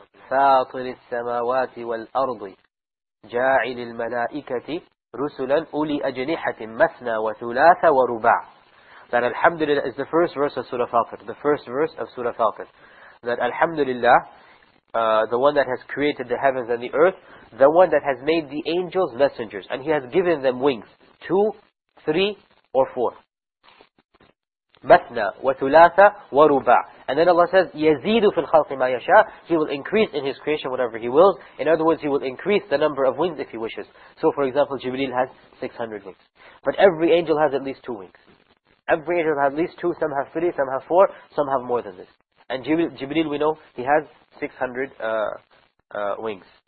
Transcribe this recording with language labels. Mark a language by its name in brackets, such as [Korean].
[Arabic] فاطر السماوات والأرض جاعل الملائكة رسلا أولي أجنحة مثنى وثلاث ورباع. [English] That Alhamdulillah is the first verse of Surah Fatir. The first verse of Surah Fatir. That Alhamdulillah, the one that has created the heavens and the earth, the one that has made the angels messengers, and he has given them wings. 2, 3, or 4. [Arabic] مَثْنَا وَثُلَاثَ وَرُبَعَ. [English] And then Allah says, [Arabic] يَزِيدُ فِي الْخَلْقِ مَا يَشَاءَ. [English] He will increase in his creation whatever he wills. In other words, he will increase the number of wings if he wishes. So for example, Jibreel has 600 wings. But every angel has at least 2 wings. Every angel has at least 2, some have 3, some have 4, some have more than this. And Jibreel, we know, he has 600 wings.